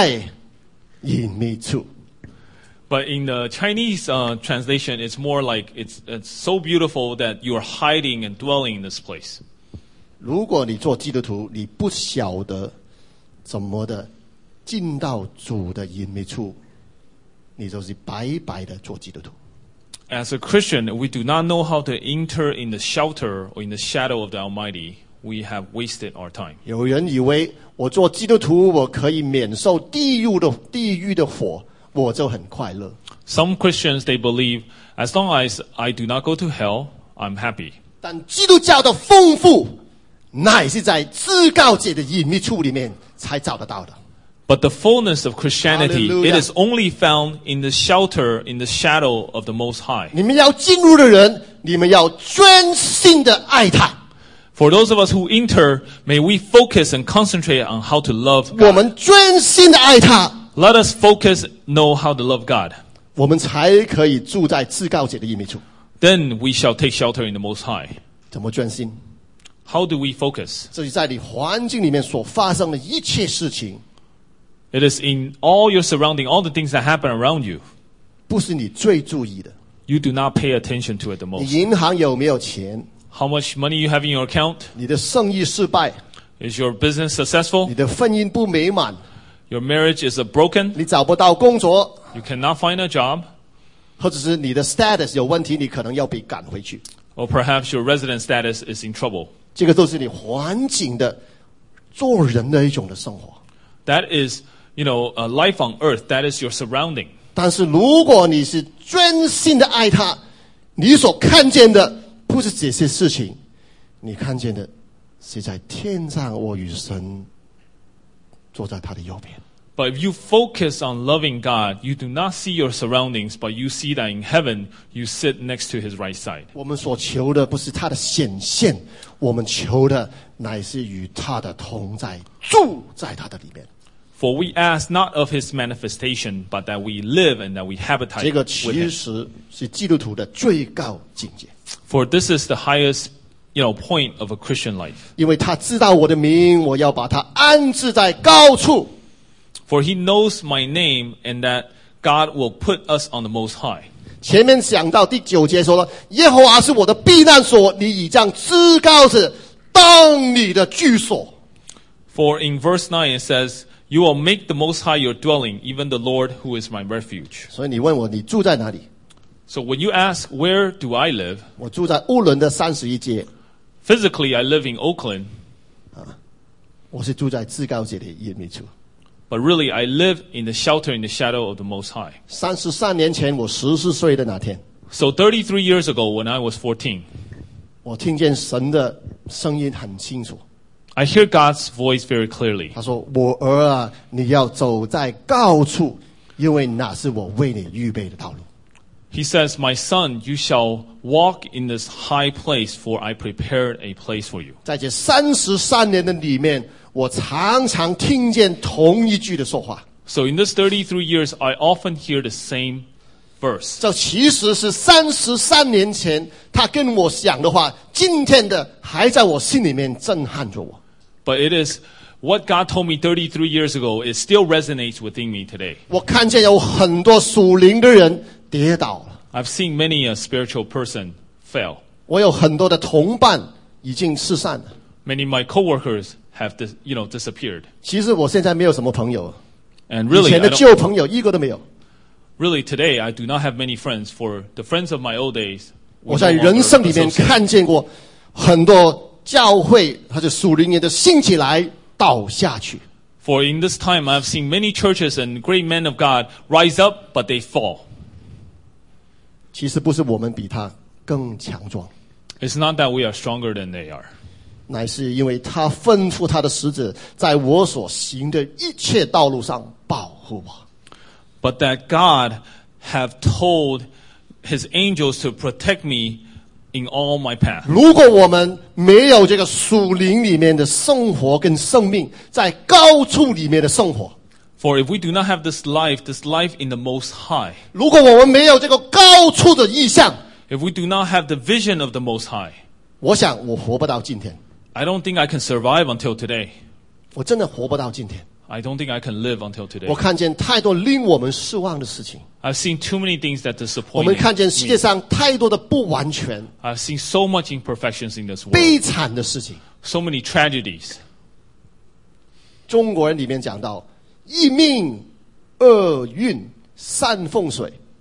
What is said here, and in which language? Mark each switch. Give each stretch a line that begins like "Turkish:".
Chinese: 但是在中文里面我叫它美在隐秘处。
English: But in the Chinese translation, it's more like it's so beautiful that you are hiding and dwelling in this place.
Chinese: 如果你做基督徒, 你不晓得怎么的进到主的隐秘处, 你就是白白的做基督徒。
English: As a Christian, we do not know how to enter in the shelter or in the shadow of the Almighty. We have wasted our time.
Chinese: 有人以为我做基督徒, 我可以免受地狱的火。
English: Some Christians, they believe, as long as I do not go to hell, I'm happy.
Chinese: 但基督教的丰富, 乃是在至高者的隐秘处里面才找得到的。
English: But the fullness of Christianity, Hallelujah. It is only found in the shelter, in the shadow of the Most High.
Chinese: 你们要进入的人, 你们要专心地爱他。
English: For those of us who enter, may we focus and concentrate on how to love God.
Chinese: 我们专心地爱他。
English: Let us focus, know how to love God. Then we shall take shelter in the Most High.
Chinese: 怎么专心?
English: How do we focus?
Chinese: 这是在你环境里面所发生的一切事情。
English: It is in all your surrounding, all the things that happen around you.
Chinese: 不是你最注意的。
English: you do not pay attention to it the most.
Chinese: 你银行有没有钱?
English: How much money you have in your account?
Chinese: 你的生意失败?
English: Is your business successful?
Chinese: 你的婚姻不美满?
English: Your marriage is broken?
Chinese: 你找不到工作?
English: You cannot find a job?
Chinese: 或者是你的 status 有问题,你可能要被赶回去。
English: Or perhaps your resident status is in trouble.
Chinese: 这个都是你环境的做人的一种的生活。
English: That is, you know, a life on earth. That is your surrounding.
Chinese: 但是如果你是真心的爱他，你所看见的不是这些事情，你看见的是在天上我与神坐在他的右边。
English: But if you focus on loving God, you do not see your surroundings, but you see that in heaven, you sit next to his right side.
Chinese: 我们所求的不是他的显现，我们求的乃是与他的同在，住在他的里面。
English: For we ask not of his manifestation, but that we live and that we habitate with him.
Chinese: 这个其实是基督徒的最高境界。
English: For this is the highest, you know, point of a Christian life.
Chinese: 因为他知道我的名，我要把他安置在高处。
English: For he knows my name and that God will put us on the most high.
Chinese: 前面讲到第九节说了，耶和华是我的避难所，你倚仗至高者当你的居所。
English: For in verse 9 it says, you will make the most high your dwelling, even the Lord who is my refuge.
Chinese: 所以你问我你住在哪里?
English: So when you ask, where do I live?
Chinese: 我住在乌伦的31街。
English: Physically, I live in Oakland.
Chinese: 我是住在至高者的隐秘处。
English: But really, I live in the shelter in the shadow of the Most High.
Chinese: 33年前我14岁的那天。
English: So 33 years ago when I was 14.
Chinese: 我听见神的声音很清楚。
English: I hear God's voice very clearly.
Chinese: 他说，我儿啊，你要走在高处，因为那是我为你预备的道路。
English: He says, my son, you shall walk in this high place, for I prepared a place for you.
Chinese: 在这33年的里面，我常常听见同一句的说话。
English: So in this 33 years, I often hear the same verse.
Chinese: 这其实是33年前他跟我讲的话，今天的还在我心里面震撼着我。
English: But it is what God told me 33 years ago, it still resonates within me today.
Chinese: 我看见有很多属灵的人跌倒了。
English: I've seen many a spiritual person fail.
Chinese: 我有很多的同伴已经失散了。
English: Many of my coworkers have disappeared.
Chinese: 其实我现在没有什么朋友。
English: And really,
Chinese: 以前的旧朋友一个都没有。
English: Really, today I do not have many friends. For the friends of my old days,
Chinese: 我在人生里面看见过很多教会或者属灵人的兴起来倒下去。
English: For in this time I've seen many churches and great men of God rise up, but they fall.
Chinese: 其实不是我们比他更强壮。
English: It's not that we are stronger than they are.
Chinese: 乃是因为他吩咐他的使者在我所行的一切道路上保护我。
English: But that God have told his angels to protect me in all my path.
Chinese: 如果我们没有这个属灵里面的生活跟生命，在高处里面的生活。
English: For if we do not have this life in the most high.
Chinese: 如果我们没有这个高处的意象。
English: If we do not have the vision of the most high.
Chinese: 我想我活不到今天。
English: I don't think I can survive until today.
Chinese: 我真的活不到今天。
English: I don't think I can live until today.
Chinese: 我看见太多令我们失望的事情。
English: I've seen too many things that disappoint me.
Chinese: 我们看见世界上太多的不完全。
English: I've seen so much imperfections in this world.
Chinese: 悲惨的事情。
English: So many tragedies.
Chinese: 中国人里面讲到，一命二运三风水。